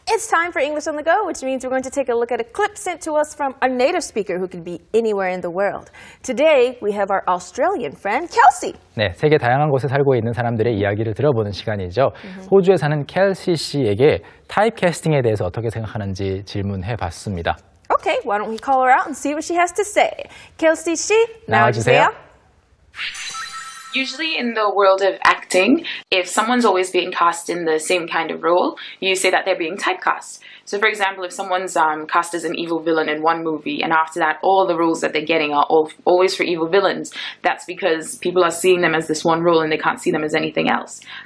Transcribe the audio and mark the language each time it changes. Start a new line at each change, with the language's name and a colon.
English: time for English on the Go, which means we're going to take a look at a clip sent to us from a native speaker who could be anywhere in the world. Today, we have our Australian friend, Kelsey.
Korean: 네, 세계 다양한 곳에 살고 있는 사람들의 이야기를 들어보는 시간이죠. Mm-hmm. 호주에 사는 켈시 씨에게 타입캐스팅에 대해서 어떻게 생각하는지 질문해봤습니다.
English: Okay, why don't we call her out and see what she has to say.
Korean: Kelsey 씨, 나와주세요.
English: Usually in the world of acting, if someone's always being cast in the same kind of role, you say that they're being typecast. So for example, if someone's cast as an evil villain in one movie, and after that, all the roles that they're getting are always for evil villains, that's because people are seeing them as this one role and they can't see them as anything else.